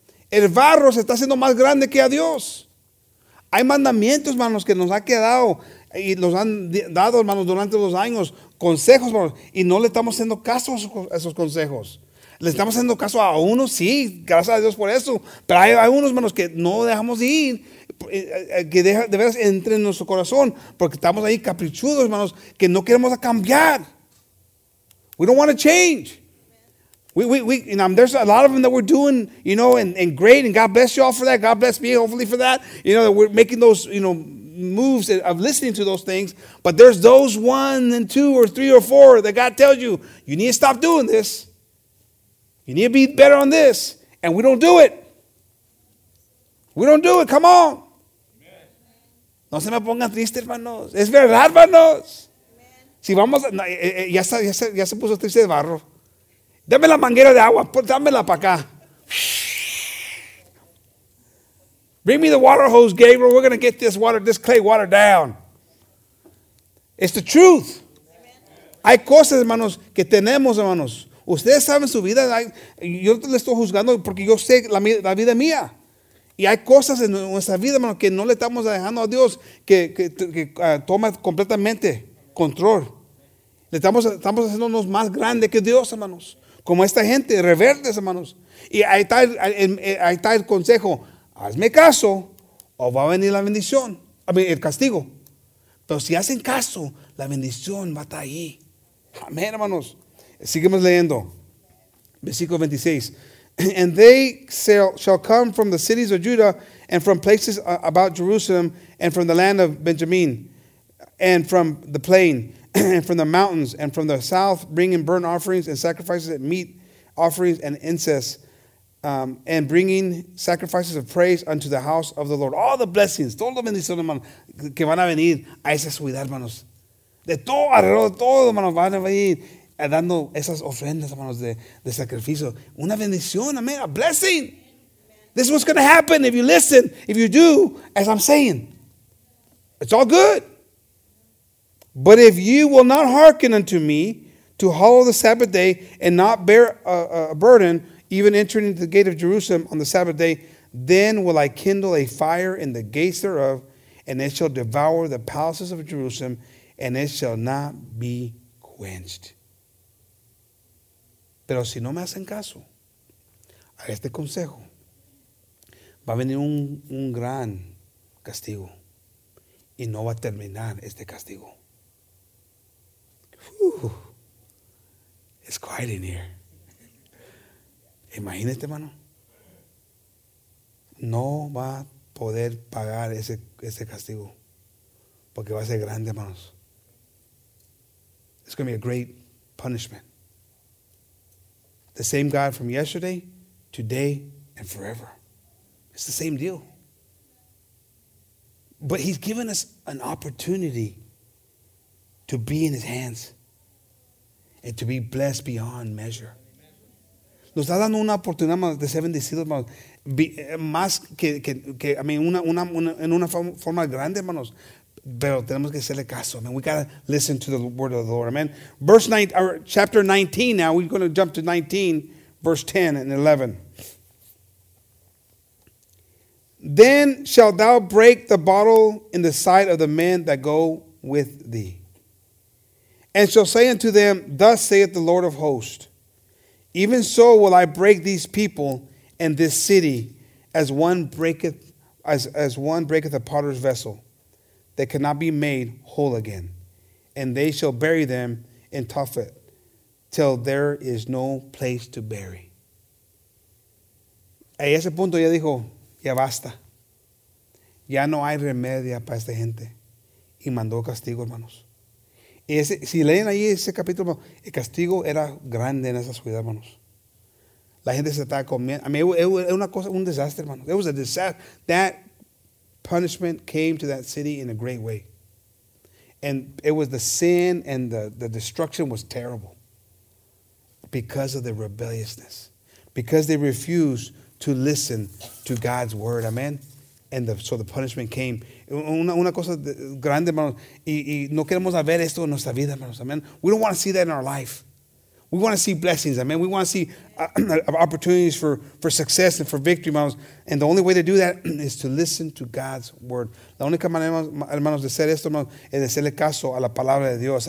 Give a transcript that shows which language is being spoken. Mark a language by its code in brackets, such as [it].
[es] El barro se está haciendo más grande que a Dios. Hay mandamientos, hermanos, que nos ha quedado y los han dado, hermanos, durante los años, consejos, hermanos, y no le estamos haciendo caso a esos consejos. Le estamos haciendo caso a unos, sí, gracias a Dios por eso, pero hay unos, hermanos, que no dejamos de ir, que de veras entre en nuestro corazón, porque estamos ahí caprichudos, hermanos, que no queremos cambiar. [en] We don't want to change. We and there's a lot of them that we're doing, you know, and great, and God bless you all for that. God bless me, hopefully, for that. You know, that we're making those, you know, moves of listening to those things, but there's those one and two or three or four that God tells you, you need to stop doing this. You need to be better on this, and we don't do it. We don't do it. Come on. Amen. [es] No se me pongan tristes, hermanos. Es verdad, hermanos. Amen. Si vamos, ya se puso triste de barro. Dame la manguera de agua, dámela para acá. [en] Bring me the water hose, Gabriel. We're going to get this clay water down. It's the truth. [es] Hay cosas, hermanos, que tenemos, hermanos. Ustedes saben su vida. Yo le estoy juzgando porque yo sé la vida mía. Y hay cosas en nuestra vida, hermanos, que no le estamos dejando a Dios que toma completamente control. Le estamos haciéndonos más grande que Dios, hermanos. Como esta gente, rebeldes, hermanos. Y ahí está el consejo. Hazme caso o va a venir la bendición, el castigo. Pero si hacen caso, la bendición va a estar ahí. Amén, hermanos. Seguimos leyendo. Versículo 26. [en] And they shall come from the cities of Judah and from places about Jerusalem and from the land of Benjamin and from the plain and from the mountains and from the south, bringing burnt offerings and sacrifices and meat offerings and incense, and bringing sacrifices of praise unto the house of the Lord. All the blessings, [es] todo lo bendición, hermano, que van a venir a esa ciudad, hermanos. De todo alrededor, todo, hermano, van a venir dando esas ofrendas, hermanos, de sacrificio. Una bendición, amén, [en] a blessing. This is what's going to happen if you listen, if you do, as I'm saying. It's all good. But if you will not hearken unto me to hallow the Sabbath day and not bear a burden, even entering into the gate of Jerusalem on the Sabbath day, then will I kindle a fire in the gates thereof, and it shall devour the palaces of Jerusalem, and it shall not be quenched. [es] Pero si no me hacen caso a este consejo, va a venir un gran castigo y no va a terminar este castigo. [en] It's quiet in here. [es] Imagínate, hermano. No va a poder pagar ese castigo porque va a ser grande, hermanos. [en] It's going to be a great punishment. The same God from yesterday, today, and forever. It's the same deal. But he's given us an opportunity to be in his hands and to be blessed beyond measure. [es] Nos está dando una oportunidad de ser bendecidos, hermanos. Más que [en] I mean, [es] en una forma grande, hermanos. Pero tenemos que hacerle caso. [en] I mean, we got to listen to the word of the Lord. Amen. Verse 9, or chapter 19 now. We're going to jump to 19, verse 10 and 11. Then shalt thou break the bottle in the sight of the men that go with thee. And shall say unto them, thus saith the Lord of hosts, even so will I break these people and this city as one breaketh a potter's vessel that cannot be made whole again. And they shall bury them in Tophet till there is no place to bury. [es] A ese punto ya dijo, ya basta. Ya no hay remedia para esta gente. Y mandó castigo, hermanos. Y ese, si leen ahí ese capítulo, el castigo era grande en esa ciudad, hermanos. La gente se está comiendo. [en] I mean, [es] es una cosa, un desastre, hermanos. [en] It was a disaster. That punishment came to that city in a great way. And it was the sin and the destruction was terrible because of the rebelliousness, because they refused to listen to God's word. Amen. And so the punishment came. [es] Una cosa grande, hermanos. Y no queremos ver esto en nuestra vida, hermanos. Amen. [en] We don't want to see that in our life. We want to see blessings. Amen. We want to see opportunities for success and for victory, hermanos. And the only way to do that is to listen to God's word. [es] La única manera, hermanos, de hacer esto, hermanos, es de hacerle caso a la palabra de Dios.